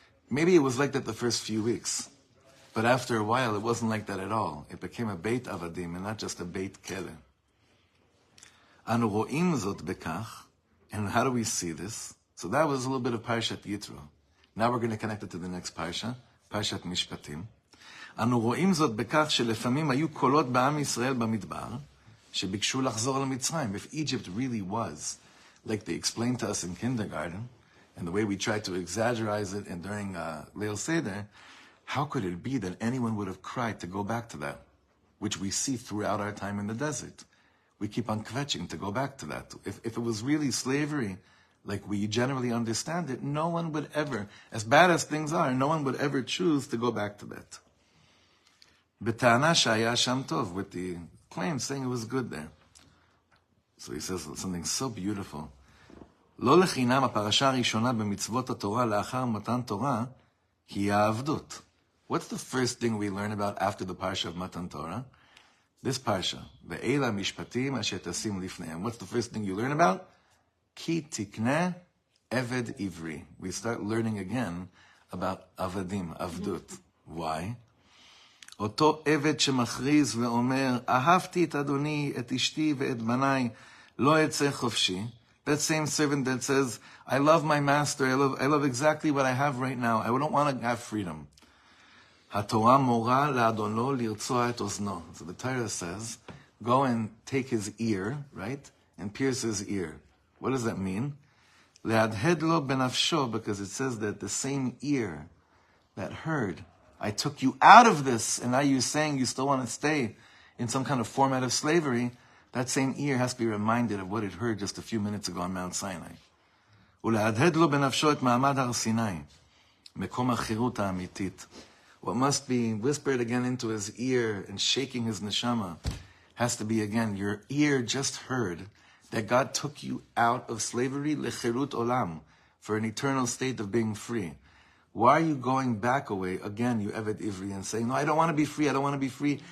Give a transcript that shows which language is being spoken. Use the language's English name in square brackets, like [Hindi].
[English] Maybe it was like that the first few weeks. But after a while, it wasn't like that at all. It became a Beit Avadim and not just a Beit Kele. [Hebrew] Anu ro'im zot bekach. [English] And how do we see this? So that was a little bit of Parshat Yitro. Now we're going to connect it to the next Parsha, Parshat Mishpatim. [Hebrew] אנו רואים זאת בכך שלפעמים היו קולות בעם ישראל במדבר שביקשו לחזור למצרים. [English] If Egypt really was, like they explained to us in kindergarten, and the way we tried to exaggerize it and during Leil Seder, how could it be that anyone would have cried to go back to that, which we see throughout our time in the desert? We keep on kvetching to go back to that. If it was really slavery, like we generally understand it, no one would ever, as bad as things are, no one would ever choose to go back to that. [Hebrew] בטענה שהיה שם טוב, [English] with the claim saying it was good there. So he says something so beautiful. [Hebrew] לא לחינם הפרשה הראשונה במצוות התורה לאחר מתן תורה היא העבדות. [English] What's the first thing we learn about after the parsha of Matan Torah? This parsha, [Hebrew] ואלה המשפטים אשר תשים לפניהם. [English] What's the first thing you learn about? [Hebrew] כי תקנה עבד עברי. [English] We start learning again about עבדים, עבדות. Why? [Hebrew] אותו עבד שמכריז ואומר, אהבתי את אדוני, את אשתי ואת בניי, לא אצא חופשי. [English] That same servant that says, I love my master, I love exactly what I have right now. I don't want to have freedom. [Hebrew] התורה מורה לאדונו לרצוע את אוזנו. [English] So the Torah says, go and take his ear, right? And pierce his ear. What does that mean? [Hebrew] להדהד לו בנפשו, [English] because it says that the same ear that heard, I took you out of this, and now you're saying you still want to stay in some kind of format of slavery, that same ear has to be reminded of what it heard just a few minutes ago on Mount Sinai. [Hebrew] ולהדהד לו בנפשו את מעמד הר סיני, מקום החירות האמיתית. [English] What must be whispered again into his ear and shaking his neshama has to be again, your ear just heard that God took you out of slavery, [Hebrew] לחירות עולם, [English] for an eternal state of being free. Why are you going back away again, you Eved Ivri, and saying, no, I don't want to be free, I don't want to be free.